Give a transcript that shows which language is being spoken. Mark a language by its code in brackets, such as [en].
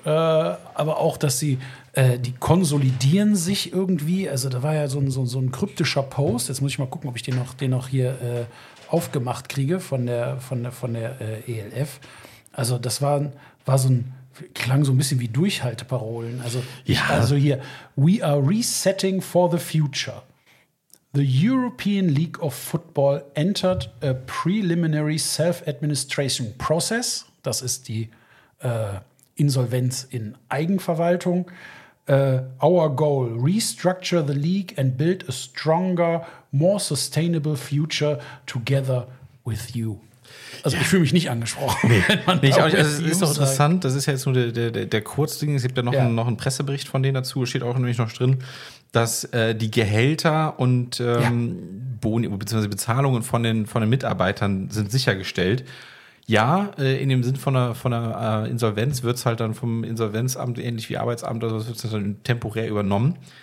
[de] Aber auch, dass sie, die konsolidieren sich irgendwie. Also da war ja so ein kryptischer Post. Jetzt muss ich mal gucken, ob ich den noch hier aufgemacht kriege von der ELF. Also das war so ein klang so ein bisschen wie Durchhalteparolen. Also, ja. Also hier, [en] we are resetting for the future. The European League of Football entered a preliminary self-administration process. [de] Das ist die Insolvenz in Eigenverwaltung. [en] Our goal, restructure the league and build a stronger, more sustainable future together with you. [de] Also ja. Ich fühle mich nicht angesprochen. Nee. Also es ist doch interessant, das ist ja jetzt nur der Kurzding, es gibt ja noch einen Pressebericht von denen dazu, steht auch nämlich noch drin, dass die Gehälter und Boni bzw. Bezahlungen von den Mitarbeitern sind sichergestellt. Ja, in dem Sinn von einer Insolvenz wird es halt dann vom Insolvenzamt, ähnlich wie Arbeitsamt oder sowas, wird es dann temporär übernommen.